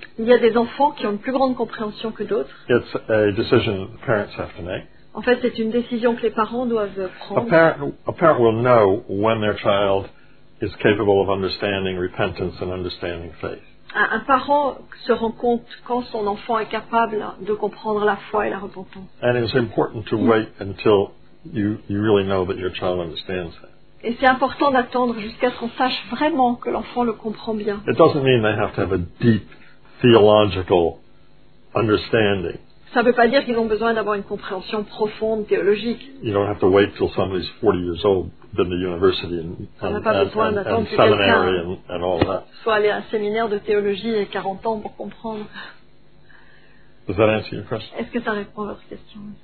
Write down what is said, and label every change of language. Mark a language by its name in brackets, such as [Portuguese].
[French] Il y a des enfants qui ont une plus grande compréhension que d'autres. [English] It's a decision that the parents have to make. [French] En fait, c'est une décision que les parents doivent prendre. [English] A parent will know when their child is capable of understanding repentance and understanding faith. [French] Un parent se rend compte quand son enfant est capable de comprendre la foi et la repentance. [English] And it's important to wait until you really know that your child understands that. [French] Et c'est important d'attendre jusqu'à ce qu'on sache vraiment que l'enfant le comprend bien. [English] It doesn't mean they have to have a deep theological understanding. [French] Ça ne veut pas dire qu'ils ont besoin d'avoir une compréhension profonde théologique. [English] You don't have to wait till somebody's 40 years old. Than the university and seminary and all that. [French] Soit aller à un séminaire de théologie et 40 ans pour comprendre. [English] Does that answer your question? [French] Est-ce que ça répond à votre question?